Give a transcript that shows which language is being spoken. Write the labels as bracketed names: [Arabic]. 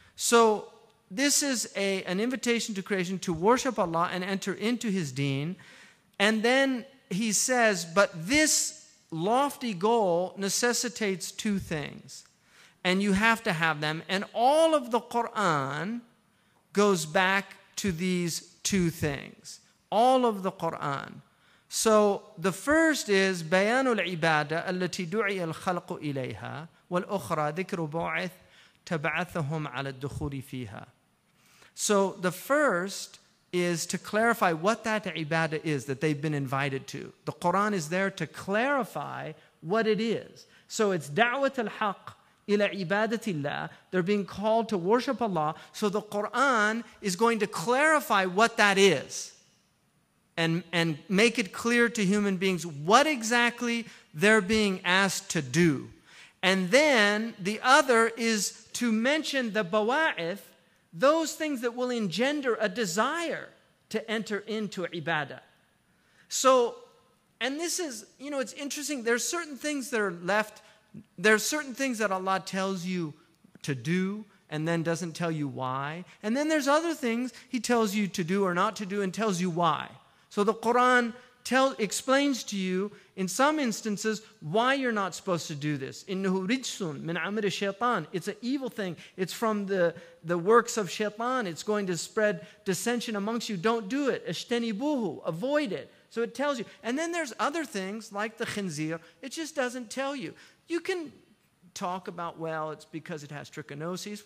[English] So this is an invitation to creation to worship Allah and enter into His deen. And then he says, but this lofty goal necessitates two things, and you have to have them. And all of the Quran goes back to these two things. All of the Quran. So the first is [Arabic] بيان العبادة التي دعي الخلق إليها والأخرى ذكر بعث تبعثهم على الدخول فيها. [English] So the first is to clarify what that ibadah is that they've been invited to. The Quran is there to clarify what it is. So it's [Arabic] دعوة الحق إلى عبادة الله. [English] They're being called to worship Allah. So the Quran is going to clarify what that is, and make it clear to human beings what exactly they're being asked to do. And then the other is to mention the bawa'ith, those things that will engender a desire to enter into ibadah. So, and this is, you know, it's interesting. There are certain things that are left. There are certain things that Allah tells you to do and then doesn't tell you why. And then there's other things He tells you to do or not to do and tells you why. So the Quran explains to you, in some instances, why you're not supposed to do this. [Arabic] إِنَّهُ رِجْسٌ مِنْ عَمِرِ الشَّيْطَانِ, [English] it's an evil thing. It's from the works of shaitan. It's going to spread dissension amongst you. Don't do it. [Arabic] اشْتَنِبُوهُ, [English] avoid it. So it tells you. And then there's other things, like the khinzir. It just doesn't tell you. You can talk about, well, it's because it has trichinosis.